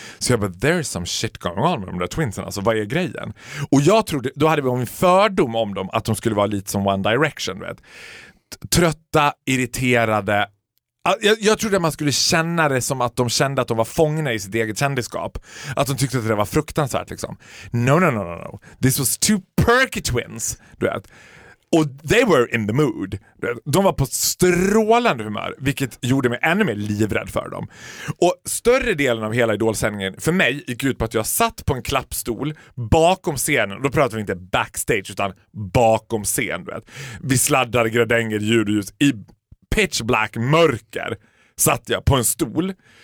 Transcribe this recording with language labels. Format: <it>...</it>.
<sv>Så jag bara,</sv> <en>there's some shit going on</en> <sv>med de där twinsen, alltså vad är grejen? Och jag trodde, då hade vi en fördom om dem, att de skulle vara lite som One Direction, du vet. Trötta, irriterade. Jag trodde att man skulle känna det som att de kände att de var fångna i sitt eget kändiskap. Att de tyckte att det var fruktansvärt liksom.</sv> <en>No. This was two perky twins,</en> <sv>du vet. Och</sv> <en>they were in the mood.</en> <sv>De var på strålande humör, vilket gjorde mig ännu mer livrädd för dem. Och större delen av hela Idol-sändningen för mig gick ut på att jag satt på en klappstol bakom scenen. Då pratade vi inte backstage utan bakom scen. Du vet. Vi sladdade gradänger, ljud och ljus. I pitch black mörker satt jag på en stol.</sv>